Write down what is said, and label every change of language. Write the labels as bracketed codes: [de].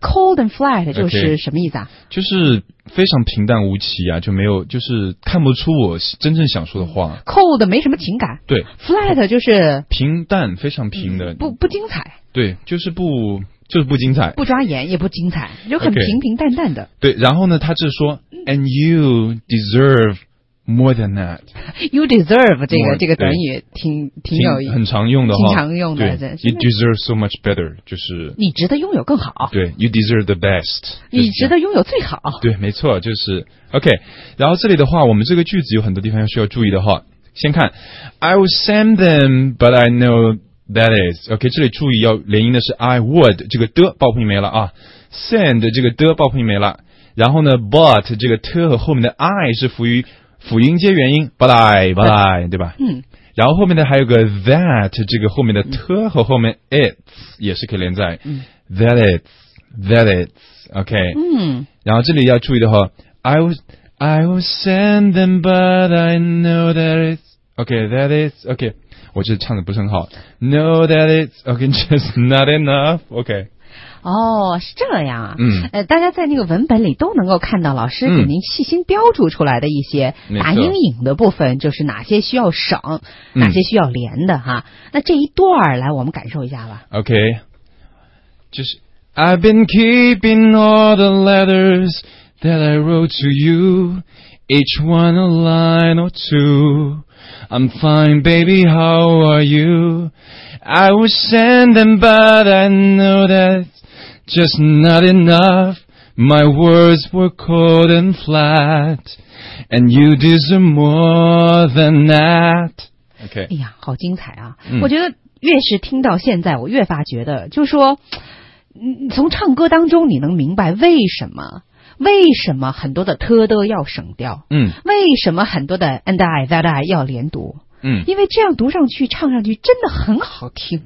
[en] Cold and flat [zh] 就是什么意思啊？ Okay, 就是非常平淡无奇啊，就没有，就是看不出我真正想说的话。 Cold 没什么情感。对。 Flat 就是平淡，非常平的。不精彩。对，就是不。就是不精彩，不抓眼也不精彩，就很平平淡淡的。 Okay, 对，然后呢，他是说 ， [en] and you deserve more than that. [zh] You deserve 这个短语挺有意思，很常用的哈，经常用的。 [en] 对 ，you deserve so much better， [zh] 就是你值得拥有更好。 [en] 对 ，you deserve the best， [zh] 你值得拥有最好。对，没错，就是 OK。然后这里的话，我们这个句子有很多地方需要注意的哈。先看 [en] ，I will send them， but I know。 [zh] That is OK， 这里注意要连音的是 I would， 这个的爆破音没了啊。 Send 这个的爆破音没了，然后呢 But 这个的和后面的 I 是辅音接元音 But I 对吧，嗯，然后后面的还有个 That， 这个后面的的和后面 It's 也是可以连在、嗯、 [en] That is OK，嗯， [zh] 然后这里要注意的话 [en] I will send them but I know that it's OK， that is OK， [zh] 我觉得唱的不是很好。 [en] No, that is okay, just not enough. Okay. [zh] 哦，是这样啊。嗯。大家在那个文本里都能够看到老师给您细心标注出来的一些打阴影的部分，就是哪些需要省，哪些需要连的哈、嗯。那这一段来，我们感受一下吧。 [en] Okay. [zh] 就是 [en] I've been keeping all the letters that I wrote to you, each one a line or two. I'm fine, baby, how are you? I will send them, but I know that's just not enough. My words were cold and flat, and you deserve more than that. Okay. [zh] 哎呀，好精彩啊！我觉得越是听到现在，我越发觉得，就说，从唱歌当中你能明白为什么很多的特的要省掉，嗯，为什么很多的 and I that I 要连读，嗯，因为这样读上去唱上去真的很好听，